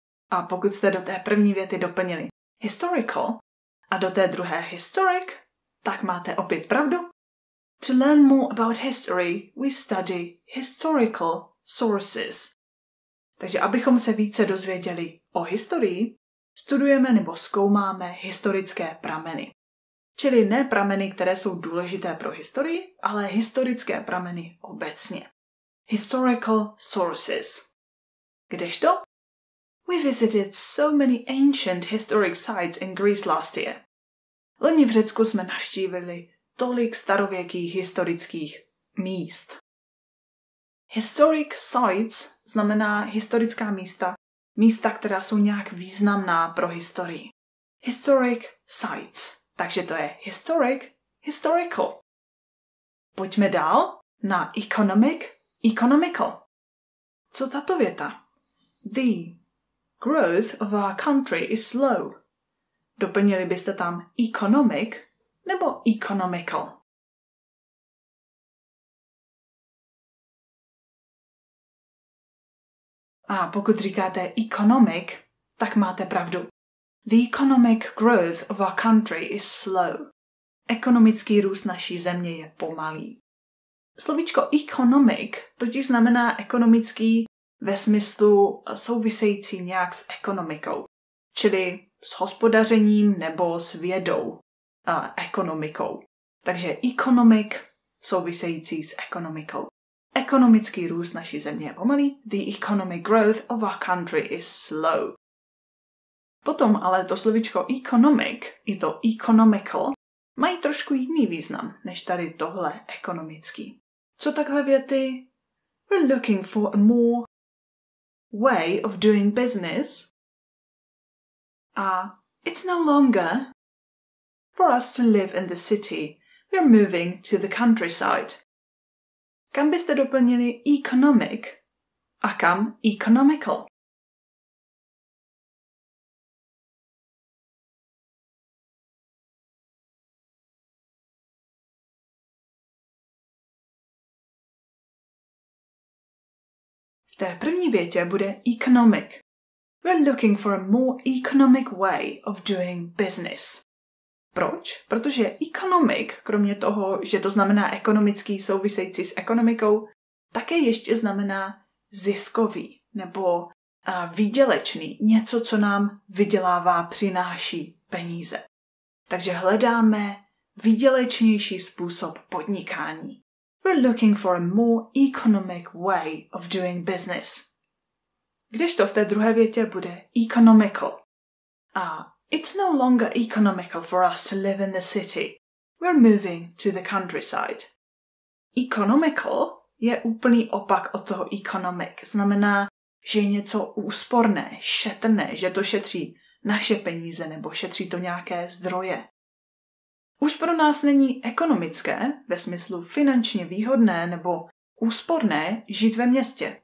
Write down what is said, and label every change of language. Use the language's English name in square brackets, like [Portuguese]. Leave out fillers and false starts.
[Czech] A pokud jste do té první věty doplnili historical a do té druhé historic, tak máte opět pravdu. [English] To learn more about history, we study historical sources. [Czech] Takže abychom se více dozvěděli o historii, studujeme nebo zkoumáme historické prameny. Čili ne prameny, které jsou důležité pro historii, ale historické prameny obecně. [English] Historical sources. [Czech] Kdežto? [English] We visited so many ancient historic sites in Greece last year. [Czech] Loni v Řecku jsme navštívili tolik starověkých historických míst. [English] Historic sites [Czech] znamená historická místa, místa, která jsou nějak významná pro historii. [English] Historic sites. [Czech] Takže to je historic, historical. Pojďme dál na economic, economical. Co tato věta? [English] The growth of our country is slow. [Czech] Doplnili byste tam economic nebo economical? A pokud říkáte economic, tak máte pravdu. [English] The economic growth of our country is slow. [Czech] Ekonomický růst naší země je pomalý. Slovíčko economic totiž znamená ekonomický ve smyslu související nějak s ekonomikou. Čili s hospodařením nebo s vědou, ekonomikou. Takže economic související s ekonomikou. Ekonomický růst naší země je pomalý. [English] The economic growth of our country is slow. [Czech] Potom ale to slovičko economic i to economical mají trošku jiný význam než tady tohle ekonomický. Co takhle věty? [English] We're looking for a more way of doing business. A it's no longer for us to live in the city. We're moving to the countryside. [Czech] Kam byste doplnili economic a kam economical? V té první větě bude economic. [English] We're looking for a more economic way of doing business. [Czech] Proč? Protože economic, kromě toho, že to znamená ekonomický související s ekonomikou, také ještě znamená ziskový nebo výdělečný, něco, co nám vydělává, přináší peníze. Takže hledáme výdělečnější způsob podnikání. [English] We're looking for a more economic way of doing business. [Czech] Kdežto v té druhé větě bude economical. [English] A it's no longer economical for us to live in the city. We're moving to the countryside. [Czech] Economical je úplný opak od toho economic. Znamená, že je něco úsporné, šetrné, že to šetří naše peníze nebo šetří to nějaké zdroje. Už pro nás není ekonomické, ve smyslu finančně výhodné nebo úsporné, žít ve městě.